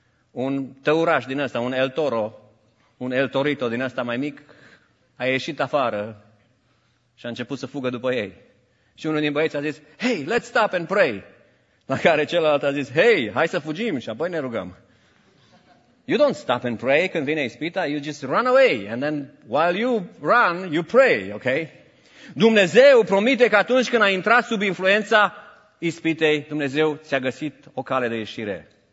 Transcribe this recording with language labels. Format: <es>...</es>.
<ro>Un tăuraș din ăsta, un El Toro, un El Torito din ăsta mai mic, a ieșit afară și a început să fugă după ei. Și unul din băieți a zis,</ro> <en>hey, let's stop and pray.</en> <ro>La care celălalt a zis, hey, hai să fugim și apoi ne rugăm.</ro> <en>You don't stop and pray</en> <ro>când vine ispita,</ro> <en>you just run away. And then while you run, you pray, okay?</en> <ro>Dumnezeu promite că atunci când ai intrat sub influența ispitei, Dumnezeu ți-a găsit o cale de ieșire.</ro>